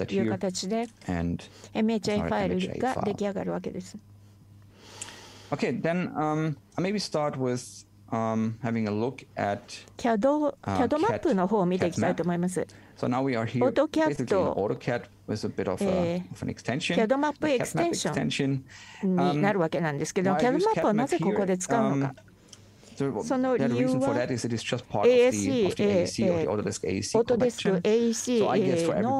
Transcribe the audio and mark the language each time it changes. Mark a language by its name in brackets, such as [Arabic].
[Japanese] という形で MHA ファイルが出来上がるわけです。 [English] Okay, then maybe start with having a look at [Japanese] CAD マップの方を見ていきたいと思います。 [English] So now we are here basically in AutoCAD with a bit of an extension. [Japanese] CAD マップエクステンションになるわけなんですけど、CAD マップをなぜここで使うのか。その理由は [English] AEC